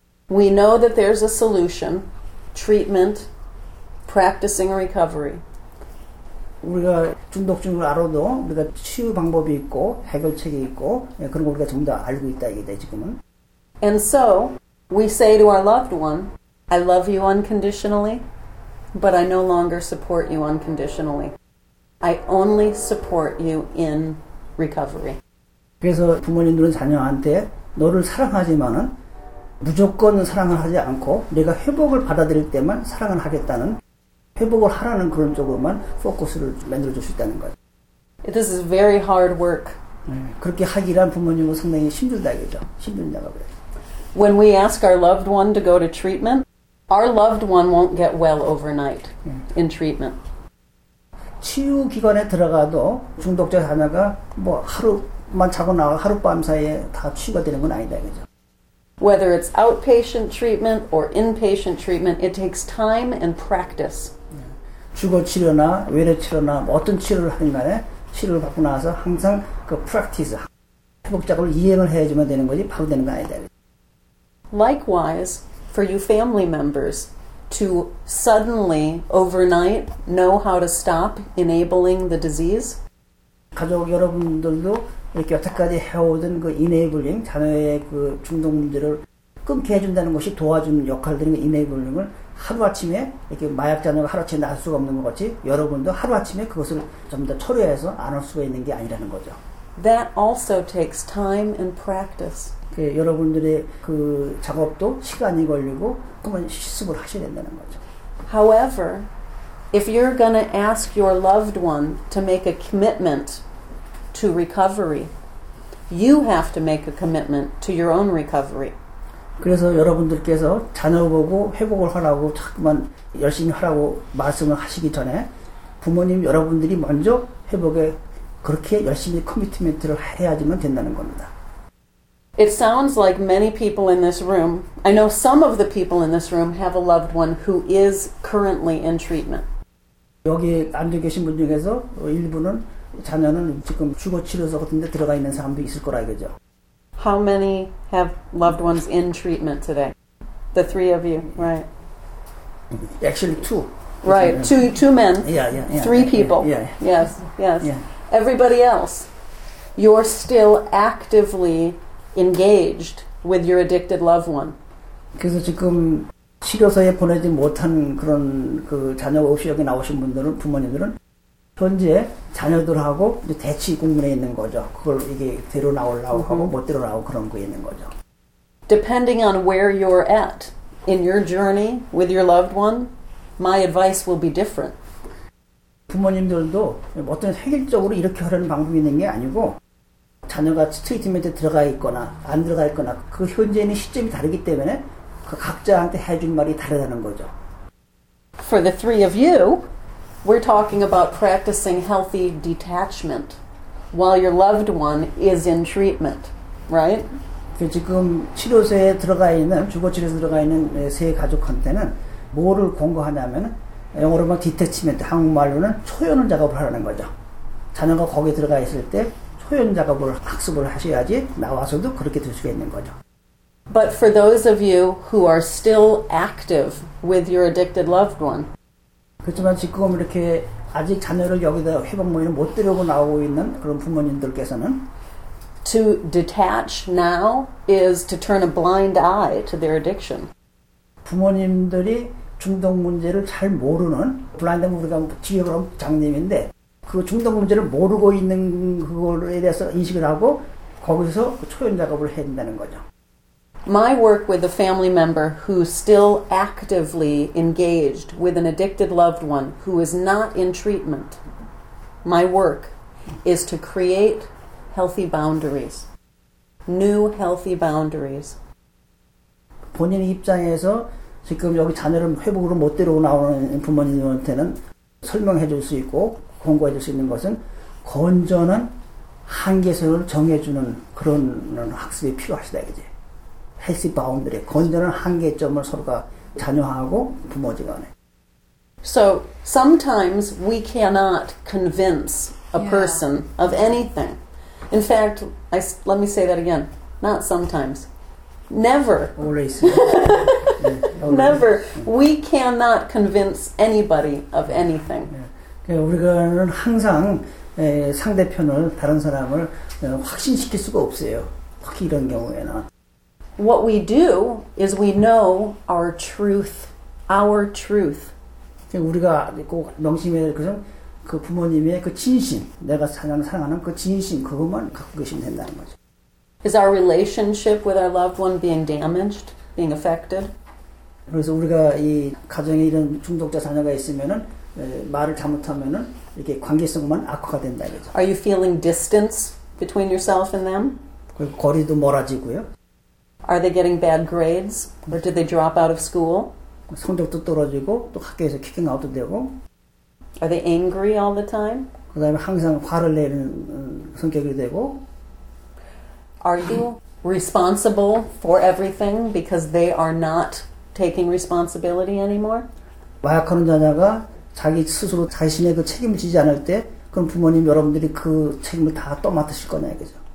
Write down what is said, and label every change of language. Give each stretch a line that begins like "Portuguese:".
English: We know that there's a solution, treatment, practicing recovery.
Korean: 우리가 중독증을 알아도 우리가 치유 방법이 있고 해결책이 있고 그런 걸 우리가 전부 다 알고 있다 이게 지금은.
English: And so we say to our loved one, I love you unconditionally, but I no longer support you unconditionally. I only support you in recovery.
Korean: 그래서 부모님들은 자녀한테 너를 사랑하지만은 무조건 사랑을 하지 않고 내가 회복을 받아들일 때만 사랑을 하겠다는 회복을 하라는 그런 쪽으로만 포커스를 만들어 줄 수 있다는 거죠.
English: This is very hard work.
Korean: 그렇게 하기란 부모님은 상당히 힘들다 이거죠. 힘들다고 그래요.
English: When we ask our loved one to go to treatment, our loved one won't get well overnight in treatment.
Korean: 치유 기관에 들어가도 중독자 자녀가 뭐 하루만 자고 나와 하룻밤 사이에 다 치유가 되는 건 아니다 이거죠.
English: Whether it's outpatient treatment or inpatient treatment, it takes time and practice.
Korean: 주거 치료나 외래 치료나 어떤 치료를 하든 간에 치료를 받고 나서 항상 그 프랙티스 회복작업을 이행을 해야지만 되는 거지 바로 되는 거 아니다.
English: Likewise, for you family members to suddenly overnight know how to stop enabling the disease.
Korean: 가족 여러분들도 이렇게 여태까지 해오던 그 enabling 자녀의 그 중독 문제를 끊게 해준다는 것이 도와주는 역할들인 enabling을 하루아침에 이렇게 마약 자녀가 하루아침에 나설 수가 없는 것 같이 여러분도 하루아침에 그것을 전부 다 처리해서 안 할 수가 있는 게 아니라는 거죠.
English: That also takes time and practice.
Korean: 예, 여러분들의 그 작업도 시간이 걸리고 그만 실습을 하셔야 된다는 거죠.
English: However, if you're going to ask your loved one to make a commitment to recovery, you have to make a commitment to your own recovery.
Korean: 그래서 여러분들께서 자녀 보고 회복을 하라고 자꾸만 열심히 하라고 말씀을 하시기 전에 부모님 여러분들이 먼저 회복에 그렇게 열심히 커미트먼트를 해야지만 된다는 겁니다.
English: It sounds like many people in this room, I know some of the people in this room have a loved one who is currently in treatment.
Korean: 여기 앉아 계신 분 중에서 일부는 자녀는 지금 주거 치료소 같은 데 들어가 있는 사람도 있을 거라 이거죠.
English: How many have loved ones in treatment today? The three of you, right? Actually two. Right, two men. Yeah, yeah, yeah. Three people. Yeah. Yes, yes. Yeah. Everybody else, you're still actively engaged with your addicted loved one.
Korean: 그래서 지금 치료소에 보내지 못한 그런 그 자녀 없이 여기 나오신 분들은 부모님들은 현재 자녀들하고 대치 국면에 있는 거죠. 그걸 이게 데려 나오려고 하고 못 데려 나오고 그런 거 있는 거죠.
English: Depending on where you're at in your journey with your loved one, my advice will be different.
Korean: 부모님들도 어떤 획일적으로 이렇게 하려는 방법이 있는 게 아니고 자녀가 트리트먼트에 들어가 있거나 안 들어가 있거나 그 현재 있는 시점이 다르기 때문에 그 각자한테 해준 말이 다르다는 거죠.
English: For the three of you, we're talking about practicing healthy detachment while your loved one is in treatment, right?
Korean: 지금 치료소에 들어가 있는, 주거치료소에 들어가 있는 세 가족한테는 뭐를 권고하냐면 영어로만 디태치먼트, 한국말로는 초연을 작업을 하라는 거죠. 자녀가 거기에 들어가 있을 때 초연 작업을 학습을 하셔야지 나와서도 그렇게 될 수가 있는 거죠.
English: But for those of you who are still active with your addicted loved one.
Korean: 그렇지만 지금 이렇게 아직 자녀를 여기다 회복모임을 못 데려고 나오고 있는 그런 부모님들께서는
English: To detach now is to turn a blind eye to their addiction.
Korean: 부모님들이 중독 문제를 잘 모르는 블라인드 우리가 지역으로 장님인데 그 중독 문제를 모르고 있는 그거에 대해서 인식을 하고 거기서 초연 작업을 해야 된다는 거죠.
English: My work with a family member who still actively engaged with an addicted loved one who is not in treatment. My work is to create healthy boundaries. New healthy boundaries.
Korean: 본인 입장에서 지금 여기 자녀를 회복으로 못 데리고 나오는 부모님한테는 설명해 줄 수 있고 권고해 줄 수 있는 것은 건전한 한계선을 정해주는 그런 학습이 필요하시다 이제 healthy boundary, 건전한 한계점을 서로가 자녀하고 부모지 간에
English: So sometimes we cannot convince a person of anything. In fact, let me say that again. Not sometimes. Never. Always. Never. We cannot convince anybody of anything.
Korean: 우리는 항상 상대편을 다른 사람을 확신시킬 수가 없어요. 특히 이런 경우에는.
English: What we do is we know our truth. Our truth.
Korean: 우리가 꼭 명심해야 될 것은 그 부모님의 그 진심, 내가 사랑하는 그 진심 그것만 갖고 계시면 된다는 거죠.
English: Is our relationship with our loved one being damaged, being affected?
Korean: 그래서 우리가 이 가정에 이런 중독자 자녀가 있으면은 말을 잘못하면은 이렇게 관계성만 악화가 된다 이거죠.
English: Are you feeling distance between yourself and them?
Korean: 거리도 멀어지고요.
English: Are they getting bad grades or do they drop out of school?
Korean: 성적도 떨어지고 또 학교에서 킥아웃도 되고.
English: Are they angry all the time?
Korean: 그다음에 항상 화를 내는 성격이 되고.
English: Are you responsible for everything because they are not taking responsibility anymore?
Korean: 마약하는 자녀가 자기 스스로 자신의 그 책임을 지지 않을 때 그럼 부모님 여러분들이 그 책임을 다 떠맡으실 거냐 이거죠.